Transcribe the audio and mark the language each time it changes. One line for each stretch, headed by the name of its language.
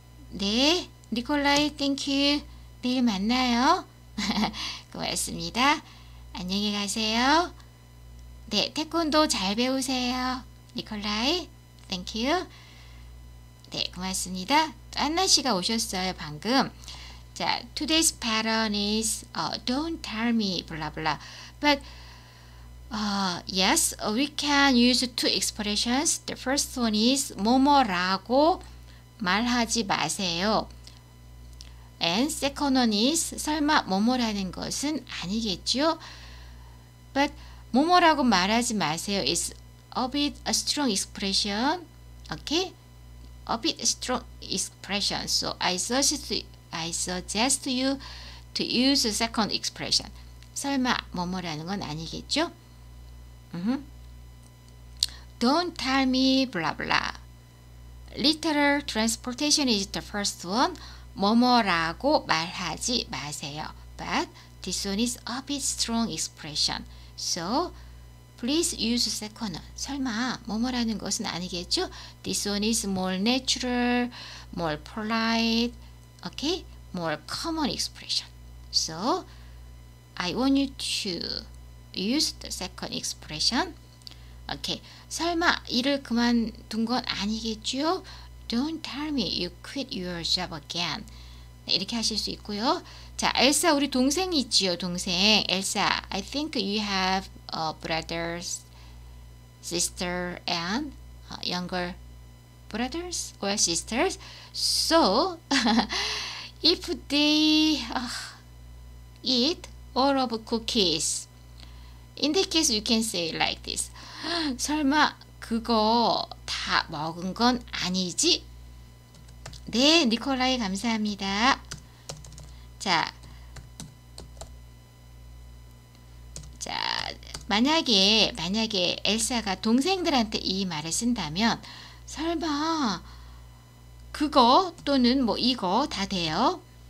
Korean: 네, 니콜라이,
English: thank you.
Korean: 내일 만나요. 고맙습니다. 안녕히 가세요. 네, 태권도 잘 배우세요. 니콜라이, 땡큐. 네, 고맙습니다. 안나 씨가 오셨어요, 방금.
English: 자, today's pattern is don't tell me, blah blah. But yes, we can use two expressions. The first one is
Korean: 뭐뭐라고 말하지 마세요.
English: And second one is
Korean: 설마 뭐뭐라는 것은 아니겠지요?
English: But
Korean: 뭐뭐라고 말하지 마세요.
English: It's a bit a strong expression. Okay? A bit strong expression. So I suggest you to use a second expression.
Korean: 설마 뭐뭐라는 건 아니겠죠?
English: Don't tell me blah blah. Literal transportation is the first one.
Korean: 뭐뭐라고 말하지 마세요.
English: But this one is a bit strong expression. So, Please use second.
Korean: 설마 뭐뭐라는 것은 아니겠죠?
English: This one is more natural, more polite, okay? More common expression. So, I want you to use the second expression. Okay.
Korean: 설마 일을 그만둔 건 아니겠죠?
English: Don't tell me you quit your job again.
Korean: 네, 이렇게 하실 수 있고요. 자, 엘사 우리 동생이지요, 동생.
English: 엘사, I think you have a brother, sister, and younger brothers or sisters. So, if they eat all of cookies, in that case, you can say like this.
Korean: 설마 그거 다 먹은 건 아니지? 네, 니콜라이 감사합니다. 자, 만약에 엘사가 동생들한테 이 말을 쓴다면 설마 그거 또는 뭐 이거 다 돼요?